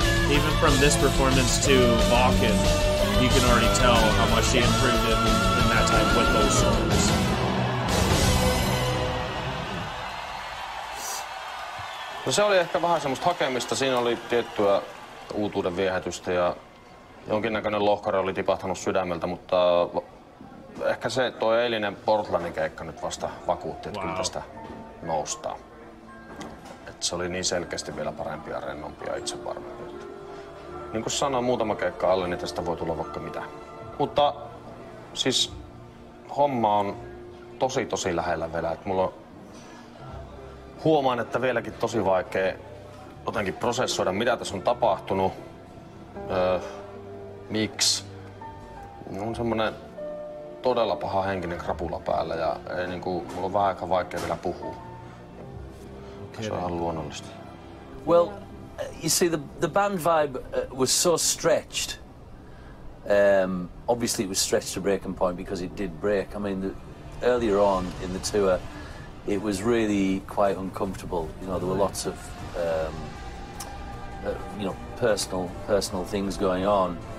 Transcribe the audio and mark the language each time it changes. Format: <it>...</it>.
<en>Even from this performance to Balkan, you can already tell how much she improved in that time with those songs.</en> <fi>No, se oli ehkä vähän semmoista hakemista. Siinä oli tiettyä uutuuden viehätystä ja jonkinnäköinen lohkare oli tipahtanut sydämeltä, mutta ehkä se toi eilinen Portlandin keikka nyt vasta vakuutti, että kyllä tästä noustaa. Et se oli niin selkeästi vielä parempi ja rennompi ja itsevarmempi. Niin kuin sanoin, muutama keikka alle, niin tästä voi tulla vaikka mitä. Mutta siis homma on tosi tosi lähellä vielä. Et mulla huomaan, että vieläkin tosi vaikea jotenkin prosessoida, mitä tässä on tapahtunut. Miksi? Mulla on semmonen todella paha henkinen krapula päällä ja ei niinku, mulla on vähän aika vaikea vielä puhua. Okay. Se on ihan luonnollista.</fi> <en>Well, you see, the band vibe was so stretched. Obviously it was stretched to breaking point because it did break. I mean, earlier on in the tour, it was really quite uncomfortable. You know, there were lots of, you know, personal things going on.</en>